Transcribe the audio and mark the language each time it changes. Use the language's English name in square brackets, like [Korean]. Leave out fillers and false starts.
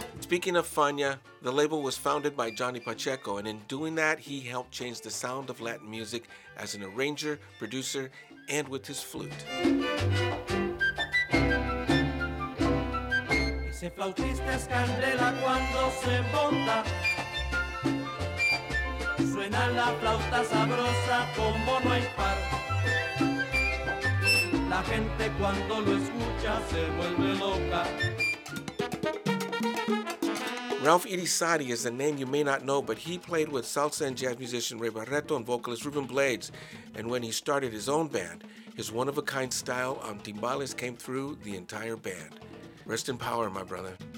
[English] Speaking of Fania, the label was founded by Johnny Pacheco, and in doing that, he helped change the sound of Latin music as an arranger, producer, and with his flute. [Spanish] Ese flautista es candela cuando se monta. Suena la flauta sabrosa como no hay par. La gente cuando lo escucha se vuelve loca. [English] Ralph Irisari is a name you may not know, but he played with salsa and jazz musician Ray Barreto and vocalist Ruben Blades. And when he started his own band, his one-of-a-kind style on timbales came through the entire band. Rest in power, my brother.